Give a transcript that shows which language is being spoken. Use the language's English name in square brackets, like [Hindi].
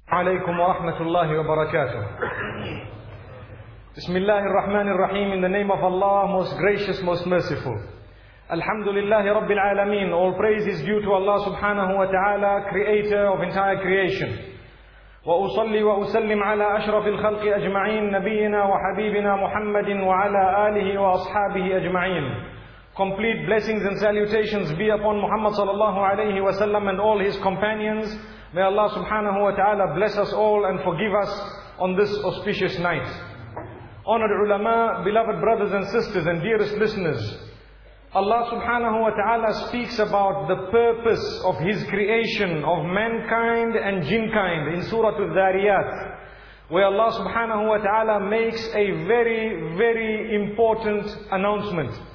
[Arabic] عليكم ورحمة الله وبركاته. بسم الله الرحمن الرحيم. [English] In the name of Allah, most gracious, most merciful. [Arabic] الحمد لله رب العالمين. [English] All praise is due to Allah سبحانه وتعالى, creator of entire creation. [Arabic] وأصلي وأسلم على أشرف الخلق أجمعين نبينا وحبيبنا محمد وعلى آله وأصحابه أجمعين. [English] Complete blessings and salutations be upon Muhammad sallallahu alayhi wa sallam and all his companions. May Allah subhanahu wa ta'ala bless us all and forgive us on this auspicious night. Honored ulama, beloved brothers and sisters and dearest listeners, Allah subhanahu wa ta'ala speaks about the purpose of his creation of mankind and jinnkind in Surah Al-Dhariyat, where Allah subhanahu wa ta'ala makes a very, very important announcement.